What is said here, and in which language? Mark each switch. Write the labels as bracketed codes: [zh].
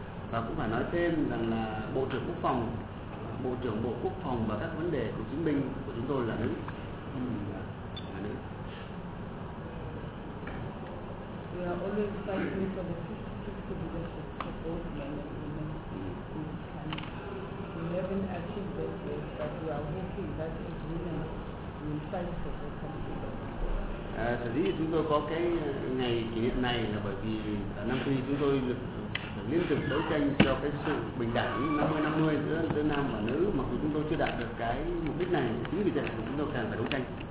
[vi] Và cũng phải nói thêm rằng là Bộ trưởng Quốc phòng, Bộ trưởng Bộ Quốc phòng và các vấn đề của chính binh của chúng tôi là nữ. [en] We are always fighting for the 50-50 leadership for both men and women in this country. We haven't achieved that yet, but we are hoping that as women will fight for the country. [vi] Sở dĩ chúng tôi có cái ngày kỷ niệm này là bởi vì ở Nam Phi chúng tôi liên tục đấu tranh cho cái sự bình đẳng 50-50 giữa nam và nữ, mặc dù chúng tôi chưa đạt được cái mục đích này, chính vì vậy chúng tôi càng phải đấu tranh.